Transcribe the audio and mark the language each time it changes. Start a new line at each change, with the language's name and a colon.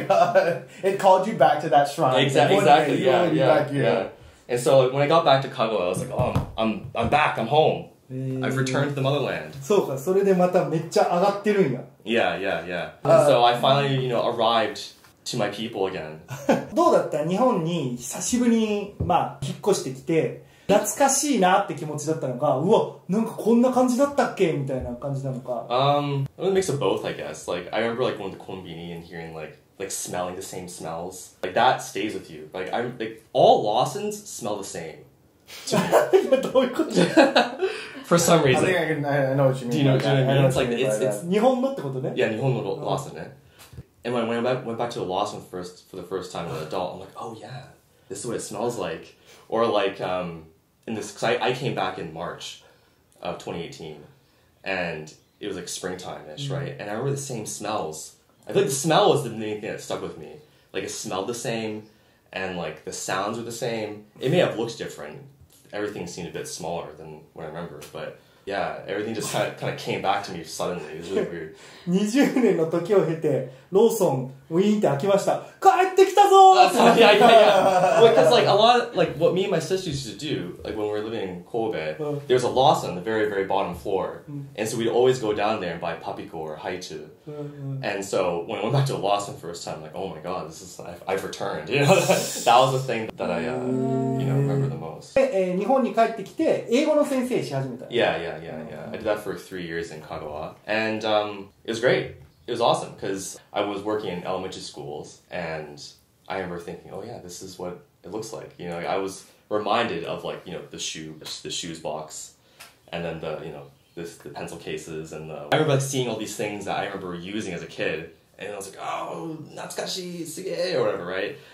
English: My God. It called you back to that shrine. Exactly, you yeah, yeah, back here. Yeah. And so when I got back to Kagawa, I was like, oh, I'm back, I'm home. I've returned to the motherland. Yeah. And so I finally, you know, arrived to my people again.
Japanese: どうだった? 日本に久しぶりに、まあ、引っ越してきて、懐かしいなって気持ちだったのか、うわ、なんかこんな感じだったっけみたいな感じなのか。
English: It was a mix of both, I guess. Like, I remember like going to konbini and hearing like smelling the same smells. Like, that stays with you. Like, I'm like, all Lawsons smell the same.
Japanese: どういうこと?
English: For some reason. I think I know what you mean. Do you know what I mean? It's like, it's
Japanese: 日本のってことね。 Yeah, 日本の Lawson, ね。
English: And when I went back to the Lawson for the first time as an adult, I'm like, oh yeah, this is what it smells like. Or like, in this, because I came back in March of 2018, and it was like springtime-ish, mm-hmm. right? And I remember the same smells. I feel like the smell was the main thing that stuck with me. Like, it smelled the same, and like, the sounds were the same. It may have looked different. Everything seemed a bit smaller than what I remember, but yeah, everything just kind of came back to me suddenly. It was really weird.
Japanese: 20 年の時を経て、ローソン、ウィーンって開きました。帰ってきたぞ!
English: Yeah. Because like a lot of, like what me and my sister used to do, like when we were living in Kobe, there's a Lawson on the very, very bottom floor. And so we'd always go down there and buy papiko or haichu. And so when I went back to the Lawson first time, like, oh my God, this is, I've returned. You know, that was the thing that I, you know, remember the most.
Japanese: 日本に帰ってきて、英語の先生し始めた。
English: Yeah. I did that for 3 years in Kagawa. And it was great. It was awesome because I was working in elementary schools and I remember thinking, oh yeah, this is what it looks like. You know, I was reminded of like, you know, the shoes box and then the pencil cases and I remember like seeing all these things that I remember using as a kid and I was like, oh, natsukashi, suge, or whatever, right?